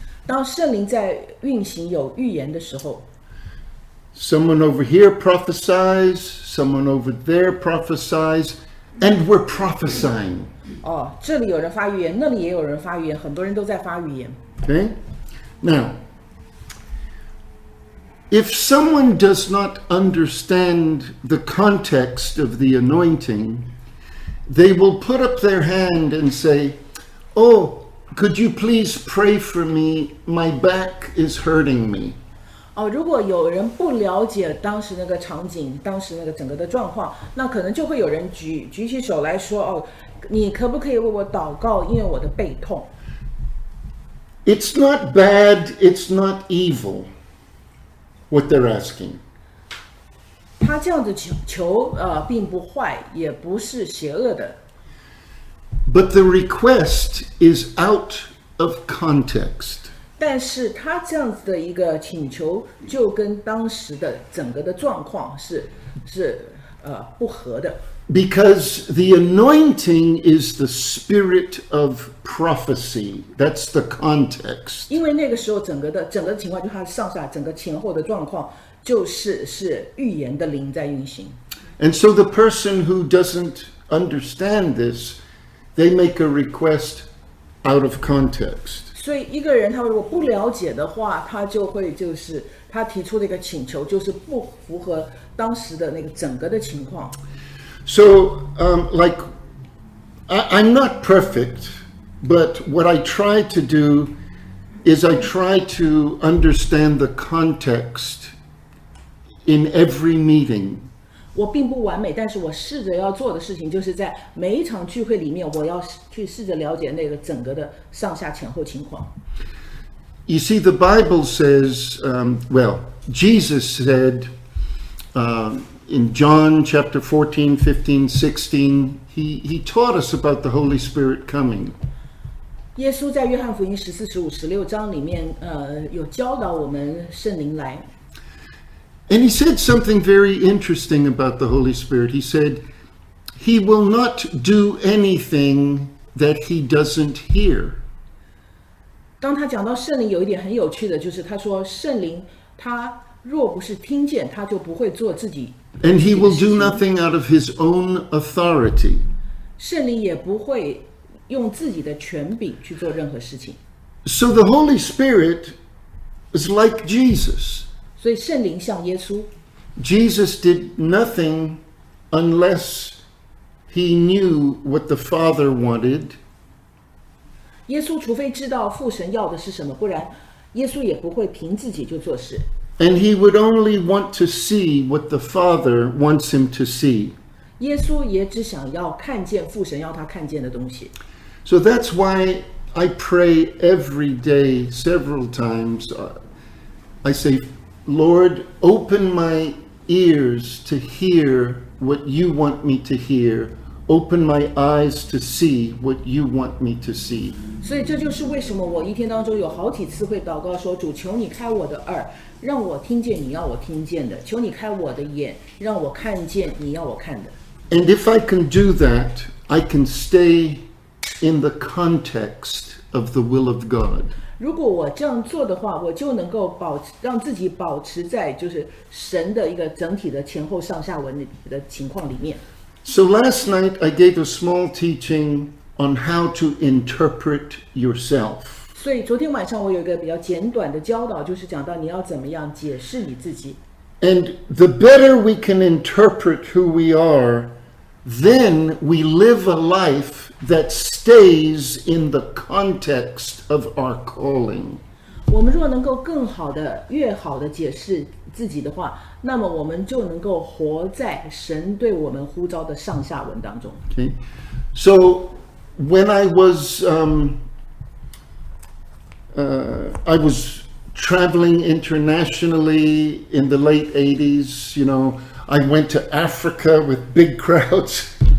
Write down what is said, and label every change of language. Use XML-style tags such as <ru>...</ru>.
<zh>当圣灵在运行有预言的时候。</zh> <en>Someone over here prophesies, someone over there prophesies, and we're prophesying.</en> <zh>Oh, 这里有人发预言，那里也有人发预言，很多人都在发预言。</zh> <en>Okay? Now, if someone does not understand the context of the anointing, they will put up their hand and say, Oh, could you please pray for me? My back is hurting me.</en> <zh>哦、如果有人不了解当时那个场景，当时那个整个的状况，那可能就会有人 举起手来说、哦、你可不可以为我祷告，因为我的背痛。</zh> <en>It's not bad, it's not evil, what they're asking.</en> <zh>他这样子 求、并不坏，也不是邪恶的。</zh> <en>But the request is out of context.</en> <zh>但是他这样子的一个请求就跟当时的整个的状况是不合的。</zh> <en>Because the anointing is the spirit of prophecy. That's the context.</en> <zh>因为那个时候整个的情况就是他上下整个前后的状况就是预言的灵在运行。</zh> <en>And so the person who doesn't understand this, they make a request out of context.</en> <zh>所以一个人他如果不了解的话，他就会就是他提出的一个请求就是不符合当时的那个整个的情况。</zh> <en>So, like, I'm not perfect, but what I try to do is I try to understand the context in every meeting.</en> <zh>我并不完美，但是我试着要做的事情就是在每一场聚会里面，我要去试着了解那个整个的上下前后情况。</zh> <en>You see, the Bible says, Jesus said, in John chapter 14, 15, 16, he taught us about the Holy Spirit coming.</en> <zh>耶稣在约翰福音14、15、16章里面，有教导我们圣灵来。</zh> <en>And he said something very interesting about the Holy Spirit. He said, he will not do anything that he doesn't hear.</en> <zh>当他讲到圣灵有一点很有趣的就是他说圣灵他若不是听见他就不会做自己</zh> <en>And he will do nothing out of his own authority.</en> <zh>圣灵也不会用自己的权柄去做任何事情。</zh> <en>So the Holy Spirit is like Jesus.</en> <zh>所以圣灵像耶稣。</zh> <en>Jesus did nothing unless he knew what the Father wanted.</en> <zh>耶稣除非知道父神要的是什么，不然耶稣也不会凭自己就做事。</zh> <en>And he would only want to see what the Father wants him to see.</en> <zh>耶稣也只想要看见父神要他看见的东西。</zh> <en>So that's why I pray every day several times. I say, Lord, open my ears to hear what you want me to hear. Open my eyes to see what you want me to see.</en> <zh>所以这就是为什么我一天当中有好几次会祷告说主求你开我的耳让我听见你要我听见的求你开我的眼让我看见你要我看的</zh> <en>And if I can do that, I can stay in the context of the will of God.</en> <zh>如果我这样做的话我就能够保让自己保持在就是神的一个整体的前后上下文的情况里面</zh> <en>So last night I gave a small teachingOn how to interpret yourself.</en> <zh>所以昨天晚上我有一个比较简短的教导，就是讲到你要怎么样解释你自己。</zh> <en>And the better we can interpret who we are, then we live a life that stays in the context of our calling.</en> <zh>我们若能够更好的、越好的解释自己的话，那么我们就能够活在神对我们呼召的上下文当中。</zh> <en>Okay, so. When I was, I was traveling internationally in the late 80s, you know, I went to Africa with big crowds.</en>